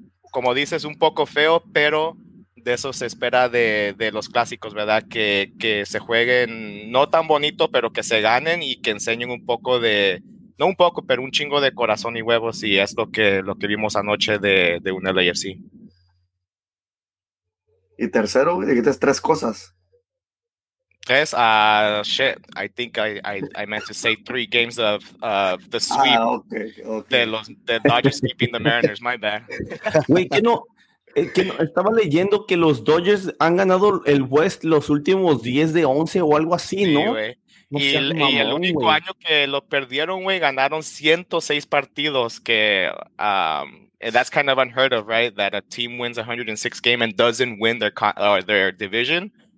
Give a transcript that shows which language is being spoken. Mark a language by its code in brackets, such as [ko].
[es] Como dices, un poco feo, pero de eso se espera de los clásicos, ¿verdad? Que se jueguen no tan bonito, pero que se ganen y que enseñen un poco de, no un poco, pero un chingo de corazón y huevos, y es lo que vimos anoche de un LAFC. Y tercero, dijiste tres cosas. Tres, [en] I think I meant to say three games of the sweep. Ah, okay. The Dodgers sweeping the Mariners, my bad. [es] Güey, que no, estaba leyendo que los Dodgers han ganado el West los últimos 10 de 11 o algo así, ¿no? Sí, güey. Y el único año que lo perdieron, güey, ganaron 106 partidos que... [en] that's kind of unheard of, right? That a team wins 106 game and doesn't win their division.